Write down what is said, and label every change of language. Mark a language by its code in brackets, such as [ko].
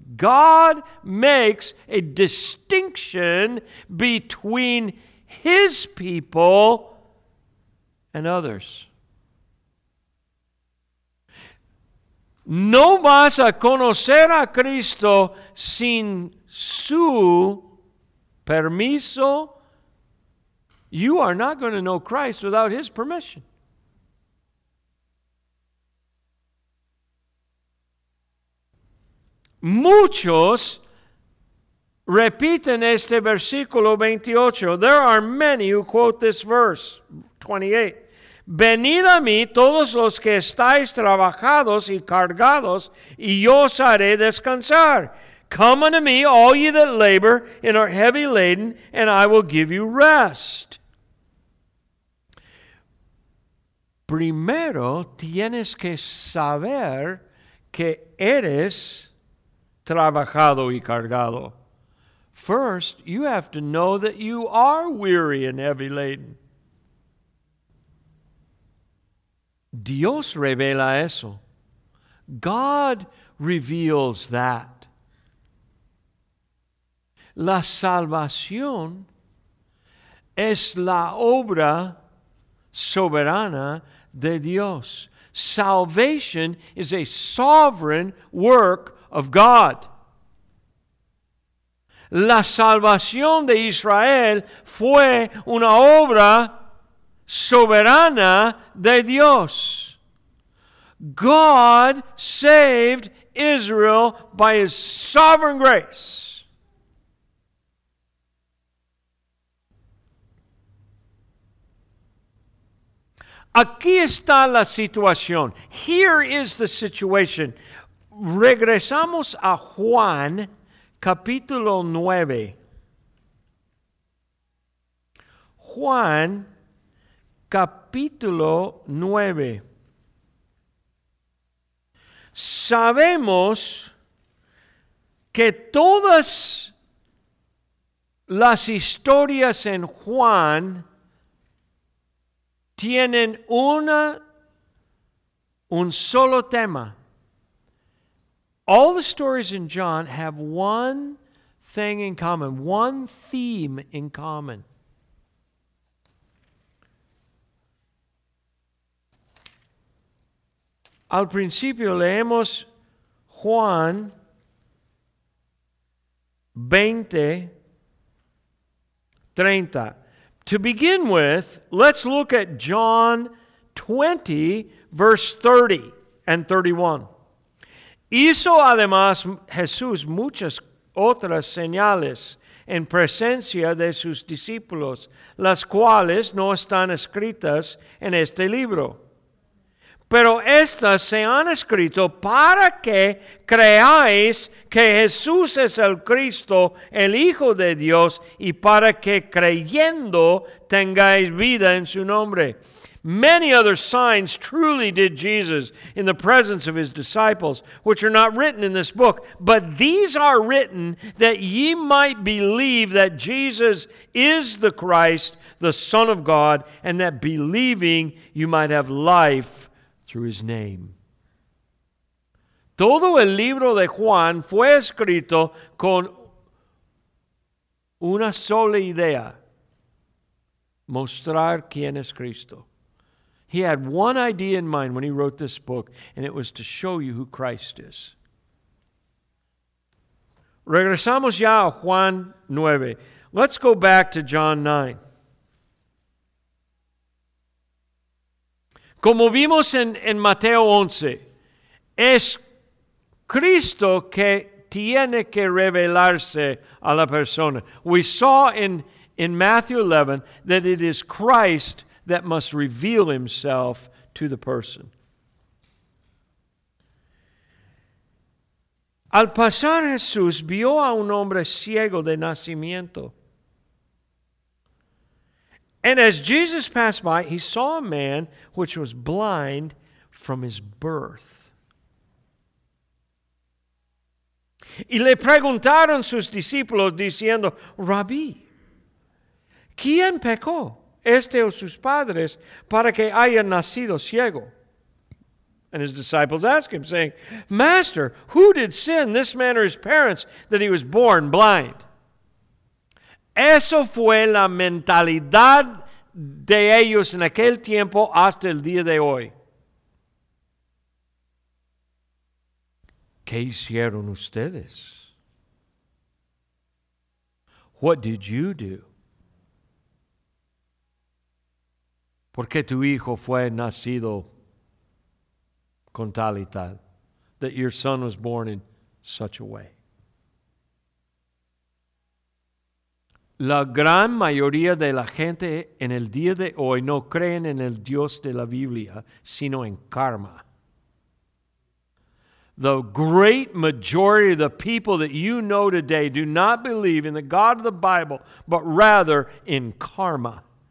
[en] God makes a distinction between his people and others. [es] No vas a conocer a Cristo sin su permiso. [en] You are not going to know Christ without his permission. [es] Muchos repiten este versículo 28. [en] There are many who quote this verse, 28. [es] Venid a mí todos los que estáis trabajados y cargados, y yo os haré descansar. [en] Come unto me, all ye that labor and are heavy laden, and I will give you rest. [es] Primero tienes que saber que eres trabajado y cargado. [en] First, you have to know that you are weary and heavy laden. [es] Dios revela eso. [en] God reveals that. [es] La salvación es la obra soberana de Dios. [en] Salvation is a sovereign work of God. [es] La salvación de Israel fue una obra soberana de Dios. [en] God saved Israel by his sovereign grace. [es] Aquí está la situación. [en] Here is the situation. [es] Regresamos a Juan, capítulo 9. Juan, capítulo 9. Sabemos que todas las historias en Juan tienen un solo tema. [en] All the stories in John have one thing in common, one theme in common. [es] Al principio leemos Juan 20:30. [en] To begin with, let's look at John 20, verse 30 and 31. [es] Hizo además Jesús muchas otras señales en presencia de sus discípulos, las cuales no están escritas en este libro. Pero estas se han escrito para que creáis que Jesús es el Cristo, el Hijo de Dios, y para que creyendo tengáis vida en su nombre. [en] Many other signs truly did Jesus in the presence of his disciples, which are not written in this book. But these are written that ye might believe that Jesus is the Christ, the Son of God, and that believing you might have life through his name. [es] Todo el libro de Juan fue escrito con una sola idea: mostrar quién es Cristo. [en] He had one idea in mind when he wrote this book, and it was to show you who Christ is. [es] Regresamos ya a Juan 9. [en] Let's go back to John 9. [es] Como vimos en Mateo 11, es Cristo que tiene que revelarse a la persona. [en] We saw in Matthew 11 that it is Christ that must reveal himself to the person. [es] Al pasar Jesús vio a un hombre ciego de nacimiento. [en] And as Jesus passed by, he saw a man which was blind from his birth. [es] Y le preguntaron sus discípulos diciendo, Rabí, ¿quién pecó, este o sus padres, para que haya nacido ciego? [en] And his disciples asked him, saying, Master, who did sin, this man or his parents, that he was born blind? [es] Eso fue la mentalidad de ellos en aquel tiempo hasta el día de hoy. ¿Qué hicieron ustedes? [en] What did you do? [es] ¿Por qué tu hijo fue nacido con tal y tal? [en] That your son was born in such a way. [es] La gran mayoría de la gente en el día de hoy no creen en el Dios de la Biblia, sino en karma. [en] The great majority of the people that you know today do not believe in the God of the Bible, but rather in karma.